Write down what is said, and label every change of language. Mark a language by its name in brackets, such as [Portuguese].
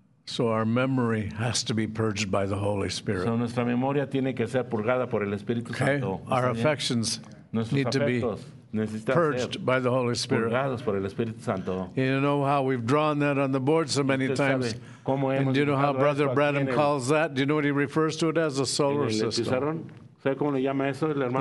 [English] So our memory has to be purged by the Holy Spirit. [Spanish] So nuestra memoria tiene que ser purgada por el Espíritu Santo. [English] Okay. Our affections need to be purged by the Holy Spirit. [Spanish] Purgados por el Espíritu Santo. [English] You know how we've drawn that on the board so many times. And do you know how Brother Branham calls that? Do you know what he refers to it as? A solar system. [Spanish] ¿Sabe cómo le llama eso el hermano?